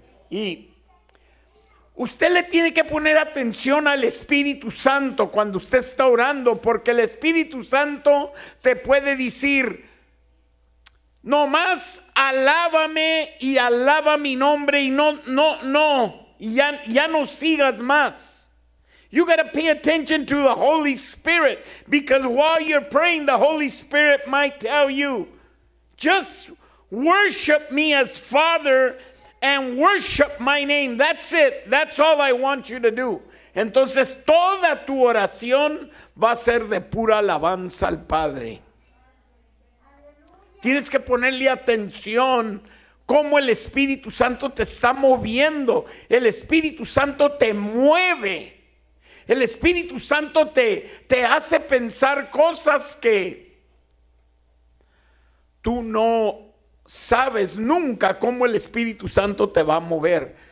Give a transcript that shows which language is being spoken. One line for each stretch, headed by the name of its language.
Spanish: Y usted le tiene que poner atención al Espíritu Santo cuando usted está orando, porque el Espíritu Santo te puede decir: nomás alábame y alaba mi nombre y ya no sigas más.
English: You gotta pay attention to the Holy Spirit, because while you're praying, the Holy Spirit might tell you, just worship me as Father and worship my name. That's it. That's all I want you to do.
Spanish: Entonces toda tu oración va a ser de pura alabanza al Padre. Tienes que ponerle atención cómo el Espíritu Santo te está moviendo. El Espíritu Santo te mueve. El Espíritu Santo te hace pensar cosas que tú no sabes nunca cómo el Espíritu Santo te va a mover.